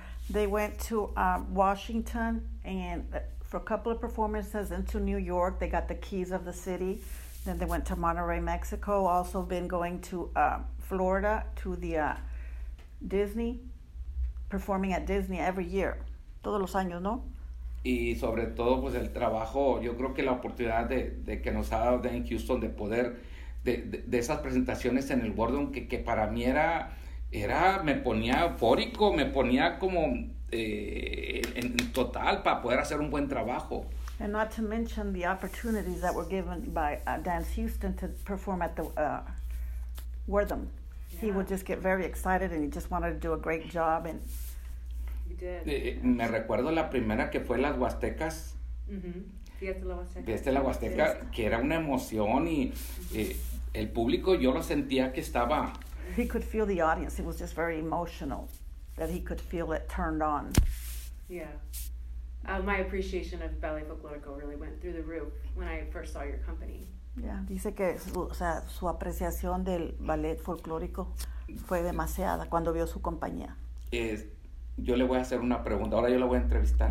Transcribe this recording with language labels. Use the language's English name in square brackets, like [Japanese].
[English] They went to Washington and for a couple of performances into New York. They got the keys of the city. Then they went to Monterrey, Mexico. Also been going to Florida to the Disney. Performing at Disney every year, [Spanish] todos los años, ¿no? Y sobre todo, pues el trabajo, yo creo que la oportunidad de que nos ha dado Dan Houston de poder, de esas presentaciones en el boardroom, que para mí era, me ponía eufórico, me ponía como en total para poder hacer un buen trabajo. [English] And not to mention the opportunities that were given by Dan Houston to perform at the boardroom. He would just get very excited and he just wanted to do a great job. And he did. [Spanish] Me recuerdo la primera que fue las Huastecas. Fiesta la Huasteca. Que era una emoción y el público, yo lo sentía que estaba. [English] He could feel the audience. It was just very emotional that he could feel it turned on. Yeah. My appreciation of Ballet Folklorico really went through the roof when I first saw your company. [Spanish] Yeah, dice que su apreciación del ballet folclórico fue demasiada cuando vio su compañía. Yo le voy a hacer una pregunta. Ahora yo la voy a entrevistar.